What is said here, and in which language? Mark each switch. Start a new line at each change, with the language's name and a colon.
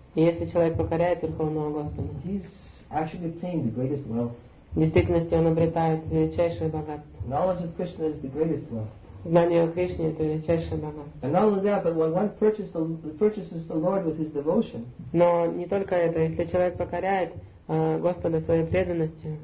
Russian: И если человек покоряет Верховного Господа,
English: he's actually obtained the greatest wealth.
Russian: В действительности он обретает величайшее богатство.
English: Knowledge of Krishna is the greatest wealth.
Russian: Знание о Кришне это величайшее богатство.
English: And not only that, but when one purchases the Lord with his devotion.
Russian: Но не только это, если человек покоряет Господа своей преданностью.